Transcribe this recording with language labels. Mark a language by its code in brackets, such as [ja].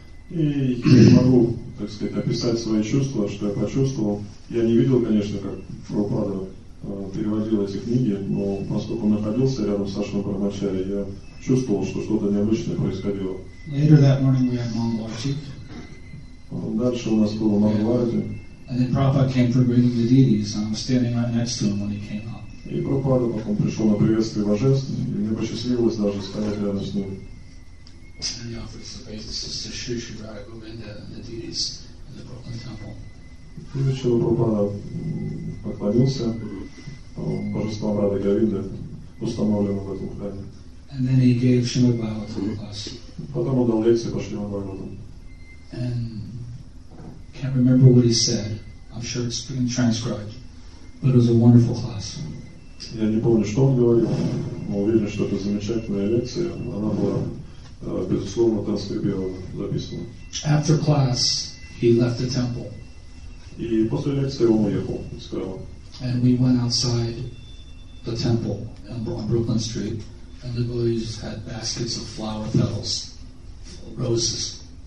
[ru] И я не могу, так сказать, описать свои чувства, что я почувствовал. Я не видел, конечно, как Прабхупада переводил эти книги, но поскольку он находился рядом с Ашрамом Брахмачари, я чувствовал, что что-то необычное происходило. [en] Later that morning we had Mangal Arati. [ru] Дальше у нас было Mangal Arati. [en] And then Prabhupada came for greeting the deities, and I was standing right next to him when he came up. [ru] И Прабхупада потом пришел на приветствие божеств, и мне посчастливилось даже стоять рядом с ним. [en] And he offered his obeisances to Sri Sri Radha Govinda and the deities in the Brooklyn Temple. [ru] Прежде чем Прабхупада поклонился божествам Радхи Говинды, установленным в этом храме. [en] And then he gave Shrimad Bhagavatam to us. [ru] Потом он дал лекции по Шримад Бхагаватам. [en] And can't remember what he said. I'm sure it's been transcribed. But it was a wonderful class. [ru] Я не помню, что он говорил, но уверен, что это замечательная лекция. Она была, безусловно, транскрибирована, записана. [en] After class, he left the temple. [ru] И после лекции он уехал из храма. [en] And we went outside the temple on Brooklyn Street, and the devotees had baskets of flower petals, roses.